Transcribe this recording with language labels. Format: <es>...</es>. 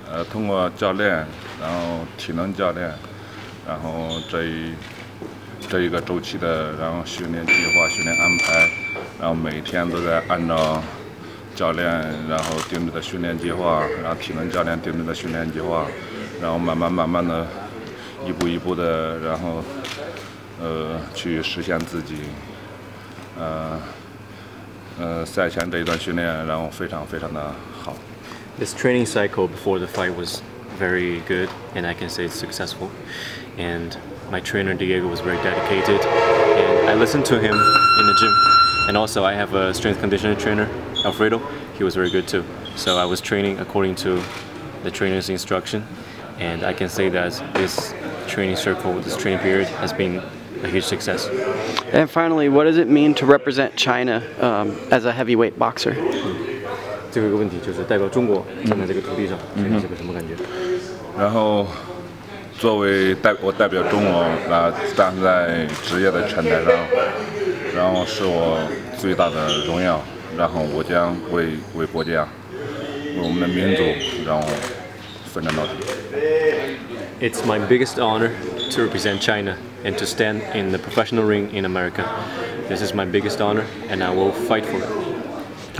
<zh>通过教练，然后体能教练，然后这一个周期的，然后训练计划、训练安排，然后每天都在按照教练然后定制的训练计划，然后体能教练定制的训练计划，然后慢慢的。一步一步的，然后，去实现自己，赛前这一段训练，然后非常非常的好。</zh> <en>This training cycle before the fight was very good, and I can say it's successful. And my trainer Diego was very dedicated, and I listened to him in the gym. And also, I have a strength conditioning trainer, Alfredo. He was very good too. So I was training according to the trainer's instruction, and I can say that this training period has been a huge success. And finally, what does it mean to represent China as a heavyweight boxer?</en> <zh>这个问题就是代表中国站在这个土地上，这个什么感觉？然后，作为我代表中国来站在职业的拳台上，然后是我最大的荣耀。然后我将为国家，为我们的民族，然后奋战到底。</zh> <en>It's my biggest honor to represent China and to stand in the professional ring in America. This is my biggest honor, and I will fight for it.</en>